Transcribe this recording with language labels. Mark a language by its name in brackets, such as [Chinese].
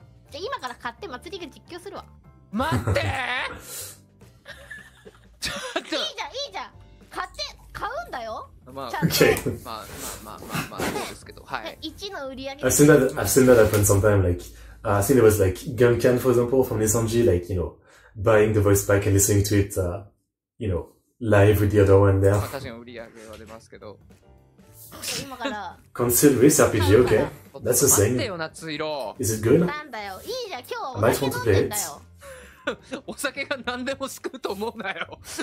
[Japanese] じゃあ今から買って祭りが実況するわ。待ってちょっといいじゃんいいじゃん買って買うんだよ、まあ、ちゃんと、まあ、まあまあまあまあまあそうですけど、はい、 1の売り上げ [English] I've seen that happen sometime like I think it was like Gunkan for example from Nisanji like you know buying the voice back and listening to it you know live with the other one there [Japanese] 確かに売り上げは出ますけど今から [English] Consider this RPG, okay? That's the thing. [Japanese] 待ってよ、 [English] 夏色。Is it good? [Japanese] なんだよ、いいじゃん、今日はお酒飲んでんだよ。お酒が何でも救うと思うなよ。